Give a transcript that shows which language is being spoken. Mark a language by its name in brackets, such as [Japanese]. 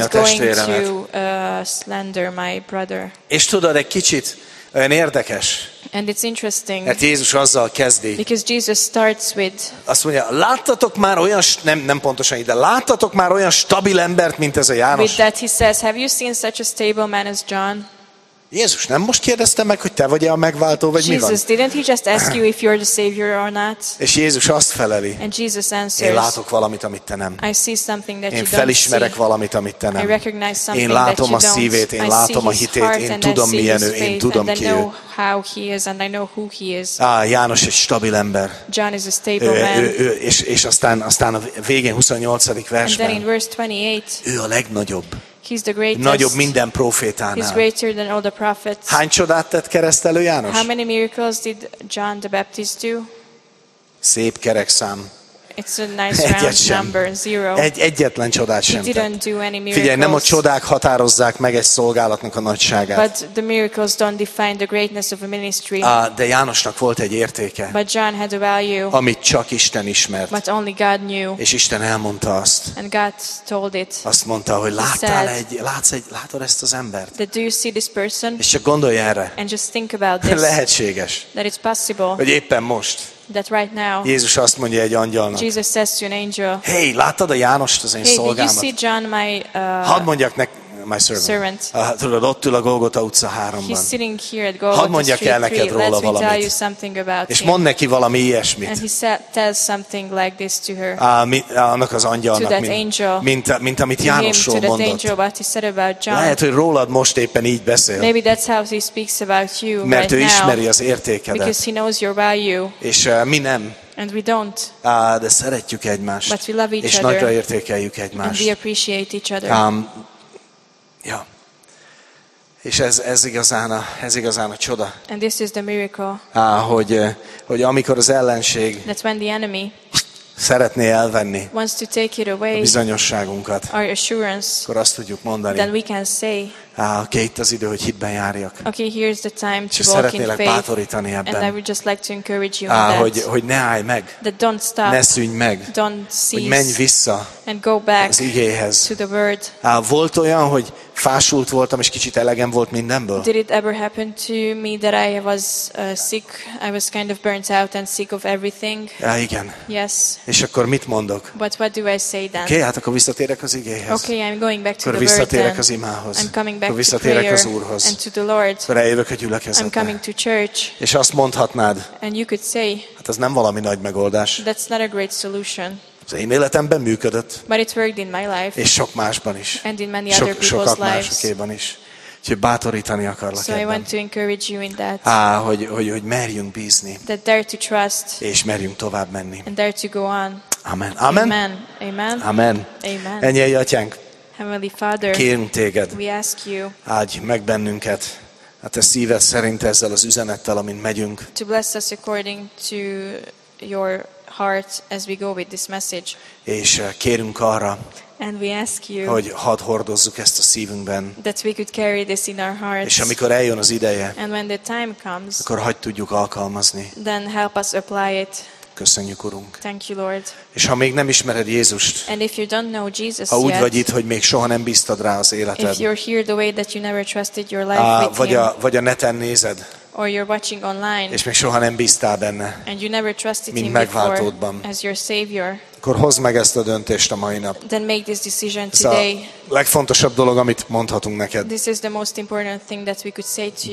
[Hungarian] a testvéremet. [English] Going to slander my brother. [Hungarian] És tudod, egy kicsit olyan érdekes. [English] And it's interesting. [Hungarian] Mert Jézus azzal kezdi. [English] Because Jesus starts with. [Hungarian] Azt mondja, láttatok már olyan nem pontosan ide. Láttatok már olyan stabil embert, mint ez a János. [English] With that he says, have you seen such a stable man as John? [Hungarian] Jézus, nem most kérdezte meg, hogy te vagy a megváltó vagy [English] Jesus, [Hungarian] mi van? [English] Jesus, didn't he just ask you if you're the savior or not? [Hungarian] És Jézus azt feleli. [English] And Jesus answers. [Hungarian] Én látok valamit, amit te nem. [English] I see something that [Hungarian] én [English] you [Hungarian] felismerek [English] don't see. [Hungarian] Valamit, amit te nem. [English] I recognize something [Hungarian] én látom [English] that [Hungarian] a szívét, [English] don't. [Hungarian] Én látom a hitét, én tudom milyen ő, én tudom ki ő. [English] How he is and I know who he is. [Hungarian] János egy stabil ember. [English] John is a stable man. [Hungarian] És aztán a végén 28. versben. [English] And then in verse 28. [Hungarian] Ő a legnagyobb. [English] He's the greatest. [Hungarian] Nagyobb minden profétánál. [English] He's greater than all the prophets. [Hungarian] Hány csodát tett Keresztelő János? [English] How many miracles did John the Baptist do? [Hungarian] Szép kerek szám. [English] It's a nice round [Hungarian] egyet sem. [English] Number, zero. [Hungarian] Egyetlen csodát sem tett. [English] He didn't do any miracles. [Hungarian] Figyelj, nem a csodák határozzák meg egy szolgálatnak a nagyságát. [English] But the miracles don't define the greatness of a ministry. [Hungarian] De Jánosnak volt egy értéke. [English] But John had a value. [Hungarian] Amit csak Isten ismert. [English] But only God knew. [Hungarian] És Isten elmondta azt. [English] And God told it. [Hungarian] Azt mondta, hogy láttál egy, látod ezt az embert? [English] That do you see this person? [Hungarian] És csak gondolj erre. [English] And just think about this. [Hungarian] Lehetséges. [English] That it's possible. [Hungarian] Hogy éppen most. [English] That right now. [Hungarian] Jézus azt mondja egy angyalnak. [English] Jesus says to an angel. [Hungarian] Hey, láttad a Jánost, az én [English] hey, [Hungarian] szolgámat? [English] Hey, did you see John, my? [Hungarian] Hadd mondjak [English] my servant. [Hungarian] Tudod, ott ül a Golgota utca 3-ban. [English] He's sitting here at Golgota Street. [Hungarian] Hadd mondjak el neked róla valamit. És mond neki valami ilyesmit. [English] And he said, tell something like this to her. [Hungarian] Annak az angyalnak, mint amit Jánosról mondott. Lehet, hogy rólad most éppen így beszél. [English] Maybe that's how he speaks about you right now. [Hungarian] Mert ő ismeri az értékedet. [English] Because he knows your value. [Hungarian] És mi nem. [English] And we don't. [Hungarian] De szeretjük egymást. [English] But we love each [Hungarian] és [English] other. [Hungarian] Nagyra értékeljük egymást. [English] And we appreciate each other. [Hungarian] Ja. És ez igazán a csoda. [English] And this is the miracle. [Hungarian] Hogy amikor az ellenség [English] that when the enemy [Hungarian] szeretné elvenni [English] wants to take it away, [Hungarian] a bizonyosságunkat, [English] our assurance, [Hungarian] akkor azt tudjuk mondani, [English] then we can say, [Hungarian] oké, itt az idő, hogy hitben járjak. [English] Okay, here's the time to [Hungarian] és szeretnélek bátorítani ebben. [English] And I would just like to encourage you [Hungarian] hogy ne állj meg. [English] That don't stop, [Hungarian] ne szűnj meg. [English] Don't cease, [Hungarian] hogy menj vissza [English] and go back [Hungarian] az igéhez. [English] To the word. [Hungarian] Volt olyan, hogy fásult voltam, és kicsit elegem volt mindenből. [English] Did it ever happen to me that I was sick? I was kind of burnt out and sick of everything. [Hungarian] Igen. [English] Yes. [Hungarian] És akkor mit mondok? [English] But what do I say then? [Hungarian] Okay, hát akkor visszatérek az igéhez. [English] Okay, I'm going back to [Hungarian] akkor [English] the [Hungarian] visszatérek [English] word [Hungarian] az imához. [English] I'm coming back [Hungarian] visszatérek [English] to prayer [Hungarian] az Úrhoz. [English] And to the Lord. [Hungarian] Akkor eljövök a gyülekezetbe. [English] I'm coming to church. [Hungarian] És azt mondhatnád. [English] And you could say. [Hungarian] Hát ez nem valami nagy megoldás. [English] That's not a great solution. [Hungarian] Az én életemben működött. [English] But it worked in my life. [Hungarian] És sok másban is. [English] And in many other people's lives. [Hungarian] Sokak másokéban is. Úgyhogy bátorítani akarlak ebben. [English] So I want to encourage you in that. [Hungarian] Hogy merjünk bízni. [English] That dare to trust. [Hungarian] És merjünk tovább menni. [English] And dare to go on. Amen. Amen. Amen. Amen. Amen. Amen. [Hungarian] Ennyi, Atyánk. [English] Heavenly Father. [Hungarian] Kérünk téged. [English] We ask you. [Hungarian] Áldj meg bennünket. A te szíved szerint ezzel az üzenettel, amin megyünk. [English] To bless us according to your heart as we go with this message. [Hungarian] És kérünk arra, [English] and we ask you, [Hungarian] hogy hadd hordozzuk ezt a szívünkben, [English] that we could carry this in our hearts. [Hungarian] És amikor eljön az ideje, [English] and when the time comes, [Hungarian] akkor hagyd tudjuk alkalmazni. [English] Then help us apply it. [Hungarian] Köszönjük, Urunk. [English] Thank you, Lord. [Hungarian] És ha még nem ismered Jézust, [English] and if you don't know Jesus [Hungarian] ha úgy [English] yet, [Hungarian] vagy itt, hogy még soha nem bíztad rá az életed, [English] if you're here the way that you never trusted your life with [Hungarian] vagy a neten nézed, [English] or you're watching online, [Hungarian] és még soha nem bíztál benne, [English] and you never trusted [Hungarian] mint [English] him [Hungarian] megváltódban, [English] before, as your savior, [Hungarian] akkor hozd meg ezt a döntést a mai nap. [English] Then make this decision today. [Hungarian] A legfontosabb dolog, amit mondhatunk neked. [English] This is the most important thing that we could say to you.